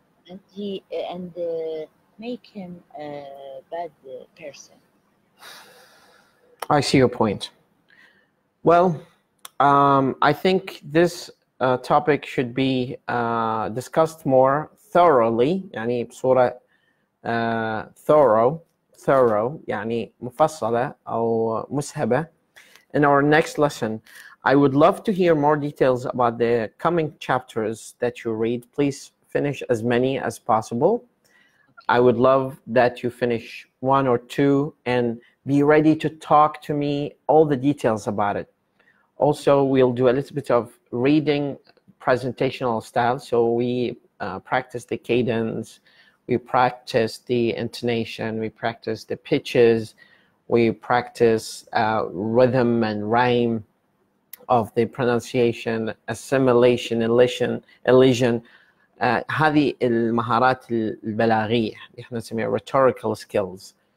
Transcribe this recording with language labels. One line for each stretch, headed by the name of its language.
English: And make him a bad person. I see your point. Well, I think this topic should be discussed more thoroughly.
Arabic: يعني بصورة thorough. يعني مفصلة أو مسهبة.
English: In our next lesson, I would love to hear more details about the coming chapters that you read. Please finish as many as possible. I would love that you finish one or two and be ready to talk to me all the details about it. Also, we'll do a little bit of reading presentational style. So we practice the cadence, we practice the intonation, we practice the pitches, we practice rhythm and rhyme of the pronunciation, assimilation, elision.
Arabic: هذه المهارات البلاغية احنا نسميها rhetorical skills.